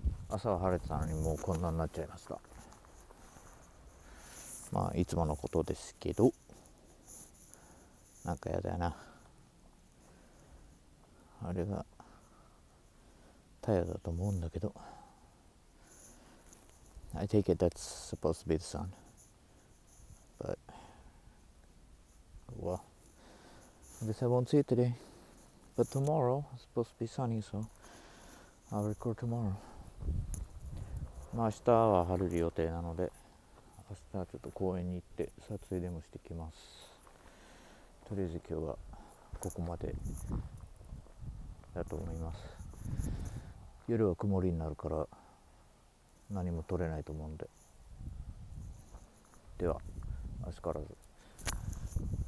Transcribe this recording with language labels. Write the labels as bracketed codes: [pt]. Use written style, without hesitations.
[ja] 朝は晴れてたのにもうこんなになっちゃいました。まあ、いつものことですけど、なんかやだよな。あれが太陽だと思うんだけど。 [en] I take it that's supposed to be the sun. But, well, I guess I won't see it today. But tomorrow, it's supposed to be sunny, so I'll record tomorrow. [ja] まあ明日は晴れる予定なので、明日はちょっと公園に行って撮影でもしてきます。とりあえず今日はここまでだと思います。夜は曇りになるから何も撮れないと思うんで、では明日からず。